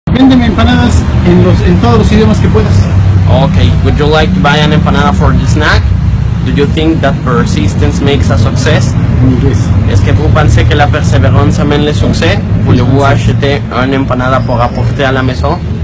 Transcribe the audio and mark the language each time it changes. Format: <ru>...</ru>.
<es>Véndeme empanadas en todos los idiomas que puedas.</es> <en>Okay, would you like to buy an empanada for the snack? Do you think that persistence makes a success? Yes.</en> <fr>Est-ce que vous pensez que la persévérance amène le succès? Voulez-vous acheter une empanada pour apporter à la maison?</fr>